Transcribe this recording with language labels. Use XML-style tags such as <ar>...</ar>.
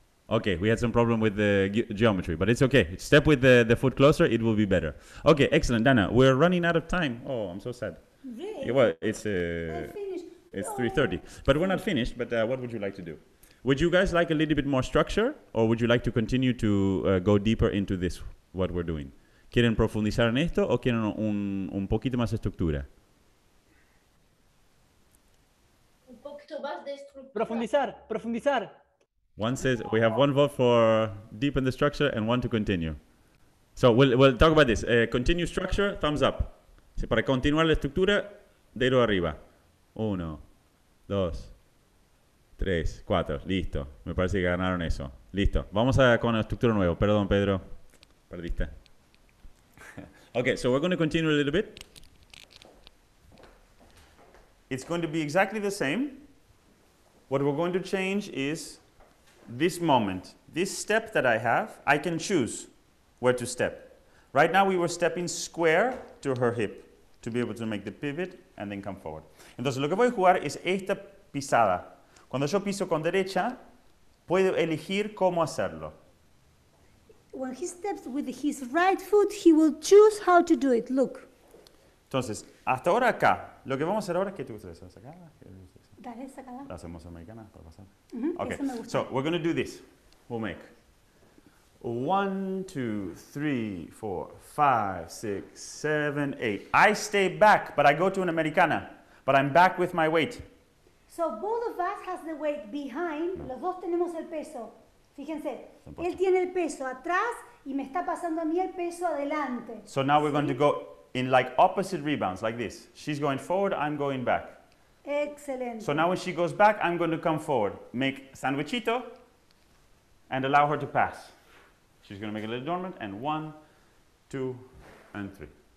<en>Okay, we had some problem with the geometry, but it's okay. Step with the foot closer, it will be better. Okay, excellent. Dana, we're running out of time. Oh, I'm so sad. Really? Yeah, well, it's 3:30, but we're not finished. But what would you like to do? Would you guys like a little bit more structure, or would you like to continue to go deeper into this, what we're doing?</en> <es>¿Quieren profundizar en esto o quieren un poquito más estructura? Un poquito más de estructura. Profundizar.</es> <en>One says, we have one vote for deepen the structure and one to continue. So we'll talk about this. Continue structure, thumbs up.</en> <es>Si para continuar la estructura, dedo arriba. Uno, dos, tres, cuatro. Listo. Me parece que ganaron eso. Listo. Vamos a con la estructura nueva. Perdón, Pedro. Perdiste.</es> <en>Okay, so we're going to continue a little bit. It's going to be exactly the same. What we're going to change is this moment. This step that I have, I can choose where to step. Right now we were stepping square to her hip to be able to make the pivot and then come forward.</en> <es>Entonces, lo que voy a jugar es esta pisada. Cuando yo piso con derecha, puedo elegir cómo hacerlo.</es> <en>When he steps with his right foot, he will choose how to do it. Look.</en> <es>Entonces, hasta ahora acá. Lo que vamos a hacer ahora es que tú sacada. Dale sacada. La hacemos americana para pasar.</es> <en>Mm-hmm. Okay. So we're going to do this. We'll make 1, 2, 3, 4, 5, 6, 7, 8. I stay back, but I go to an americana. But I'm back with my weight. So both of us has the weight behind.</en> <es>Los dos tenemos el peso. Fíjense, él tiene el peso atrás y me está pasando a mí el peso adelante.</es> <en>So now we're going to go in like opposite rebounds, like this. She's going forward, I'm going back. Excellent. So now when she goes back, I'm going to come forward. Make sandwichito and allow her to pass. She's going to make a little dormant and 1, 2, and 3.</en>